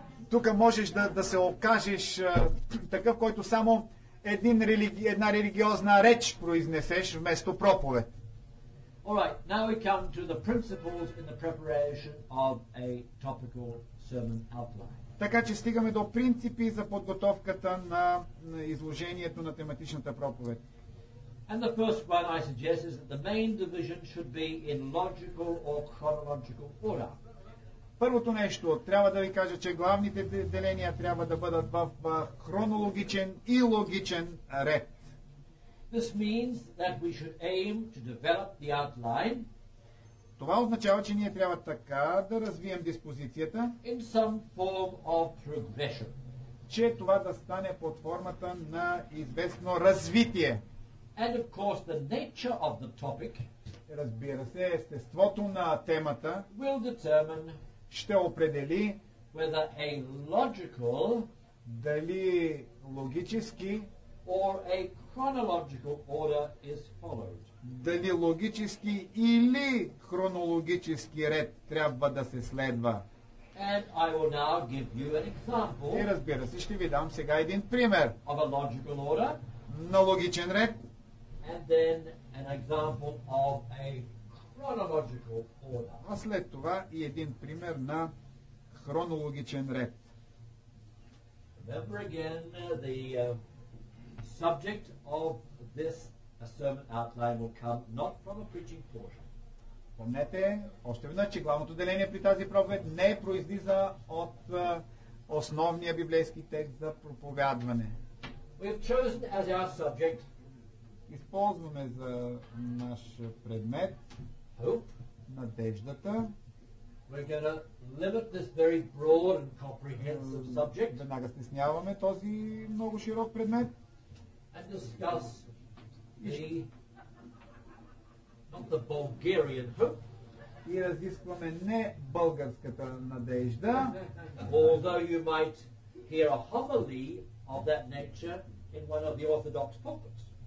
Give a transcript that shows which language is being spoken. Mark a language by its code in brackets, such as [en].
[bg] Тук можеш да се окажеш такъв, който само една религиозна реч произнесеш вместо проповед. [en] All right, now we come to the principles in the preparation of a topical sermon outline. [bg] Така че стигаме до принципи за подготовката на изложението на тематичната проповед. [en] And the first one I suggest is that the main division should be in logical or chronological order. [bg] Първото нещо, трябва да ви кажа, че главните деления трябва да бъдат в хронологичен и логичен ред. [en] This means that we should aim to develop the outline. [bg] Това означава, че ние трябва така да развием диспозицията, [en] in some form of progression. [bg] Че това да стане под формата на известно развитие. [en] And of course the nature of the topic, [bg] разбира се, естеството на темата [en] will determine [bg] ще определи [en] whether a logical [bg] дали логически [en] or a chronological order is followed. [bg] Дали логически или хронологически ред трябва да се следва. [en] And I will now give you an example. [bg] И разбира се, ще ви дам сега един пример. [en] Of a logical order. [bg] На логичен ред. [en] And then an example of a chronological order. [bg] А след това и един пример на хронологичен ред. [en] Remember again the subject of this sermon outline will come not from a preaching portion. [bg] Помнете, още веднъж, че главното деление при тази проповед не произлиза от основния библейски текст за проповядване. [en] We've chosen as our subject. [bg] Използваме за наш предмет [en] hope. [bg] Надеждата. [en] We're going to limit this very broad and comprehensive subject. [bg] Веднага стесняваме този много широк предмет. [en] And discuss the not the Bulgarian hope. [bg] И разискваме не българската надежда. [en] Although you might hear a homily of that nature in one of the Orthodox pulpits.